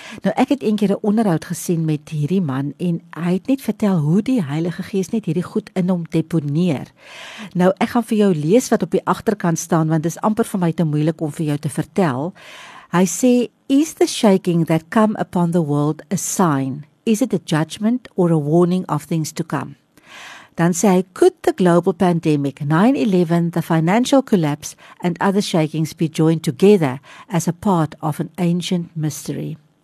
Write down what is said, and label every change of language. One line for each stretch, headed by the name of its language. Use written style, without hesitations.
Afrikaans: Nou, ek het een keer een onderhoud gesien met hierdie man, en hy het net vertel hoe die Heilige Gees net hierdie goed in hom deponeer. Nou, ek gaan vir jou lees wat op die achterkant staan, want dit is amper vir my te moeilik om vir jou te vertel. Hy sê,
English: is the shaking that come upon the world a sign? Is it a judgment or a warning of things to come?
Afrikaans: Dan sê hy,
English: could the global pandemic, 9/11, the financial collapse and other shakings be joined together as a part of an ancient mystery?